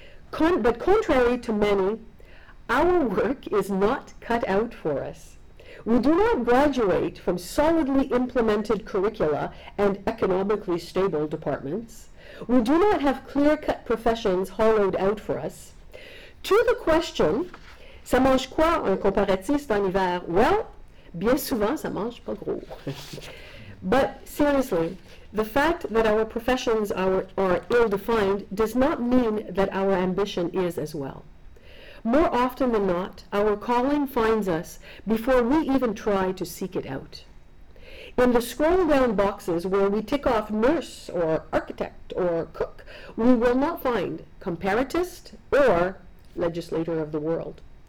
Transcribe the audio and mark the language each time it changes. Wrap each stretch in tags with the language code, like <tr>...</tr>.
<en>But contrary to many, our work is not cut out for us. We do not graduate from solidly implemented curricula and economically stable departments. We do not have clear-cut professions hollowed out for us. To the question,</en> <fr>ça mange quoi un comparatiste en hiver? Well, bien souvent, ça mange pas gros.</fr> <en>But seriously, the fact that our professions are ill-defined does not mean that our ambition is as well. More often than not, our calling finds us before we even try to seek it out. In the scroll-down boxes where we tick off nurse or architect or cook, we will not find comparatist or legislator of the world.</en>